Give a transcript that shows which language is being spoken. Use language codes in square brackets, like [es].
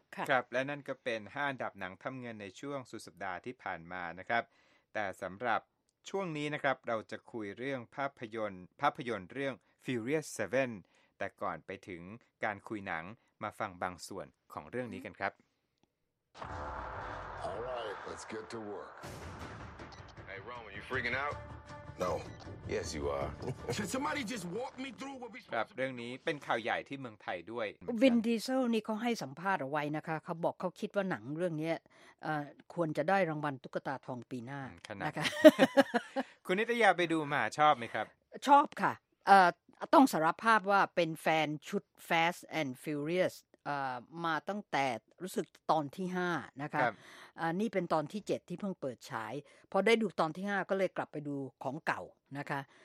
[th] ครับและนั่นก็เป็น5อันดับหนังทำเงินในช่วงสุดสัปดาห์ที่ผ่านมานะครับแต่สำหรับช่วงนี้นะครับเราจะคุยเรื่องภาพยนตร์เรื่อง Furious 7แต่ก่อนไปถึงการคุยหนังมาฟังบางส่วนของเรื่องนี้กันครับ [en] All right, let's get to work. Hey Rome, are you freaking out? No. Yes, you are. Can somebody just walk me through what we [th] ครับเรื่องนี้เป็นข่าวใหญ่ที่เมืองไทยด้วย วินดีเซลนี่เขาให้สัมภาษณ์เอาไว้นะคะเขาบอกเขาคิดว่าหนังเรื่องนี้ควรจะได้รางวัลตุ๊กตาทองปีหน้า ขนาดคุณนิตยาไปดูมาชอบไหมครับ ชอบค่ะต้องสารภาพว่าเป็นแฟนชุด Fast and Furious มาตั้งแต่รู้สึกตอนที่5นะคะนี่เป็นตอนที่7ที่เพิ่งเปิดฉายพอได้ดูตอนที่5ก็เลยกลับไปดูของเก่านะคะ